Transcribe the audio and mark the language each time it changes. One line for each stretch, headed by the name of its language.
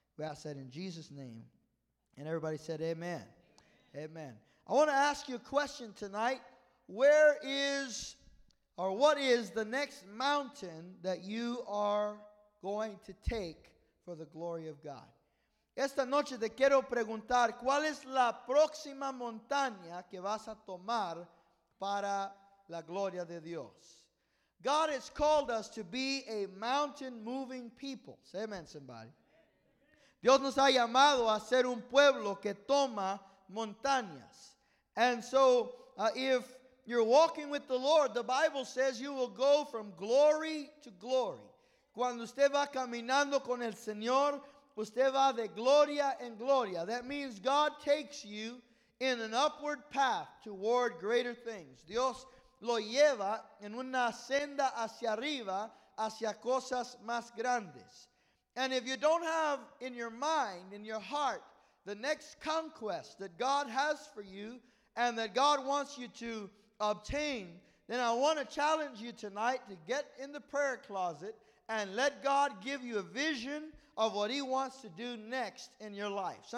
English: We ask that in Jesus' name. And everybody said amen. Amen. Amen. I want to ask you a question tonight. Where is, or what is the next mountain that you are going to take for the glory of God?
Spanish: Esta noche te quiero preguntar, ¿cuál es la próxima montaña que vas a tomar para la gloria de Dios?
English: God has called us to be a mountain-moving people. Say amen, somebody.
Spanish: Dios nos ha llamado a ser un pueblo que toma montañas.
English: And so, if you're walking with the Lord, the Bible says you will go from glory to glory.
Spanish: Cuando usted va caminando con el Señor, usted va de gloria en gloria.
English: That means God takes you in an upward path toward greater things.
Spanish: Dios lo lleva en una senda hacia arriba, hacia cosas más grandes.
English: And if you don't have in your mind, in your heart, the next conquest that God has for you and that God wants you to obtain, then I want to challenge you tonight to get in the prayer closet and let God give you a vision of what he wants to do next in your life.